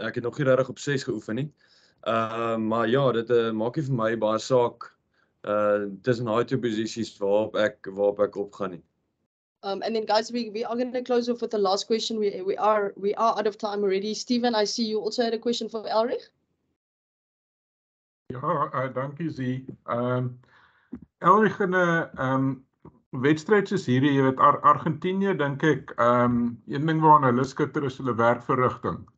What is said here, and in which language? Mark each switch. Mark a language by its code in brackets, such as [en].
[af] Ek het nog nie regtig op 6 geoefen nie. Maar ja, dit maak nie vir my baie saak. Tussen daai twee posisies waarop ek opgaan nie. [en] And then guys, we are going to close off with the last question. We are out of time already. Stephen, I see you also had a question for Elrigh. [af] Ja, dankie Zee. Elrigh, in 'n wedstryd soos hierdie, jy weet Argentinië, dink ek, een ding waaraan hulle skitter is hulle werkverrigting.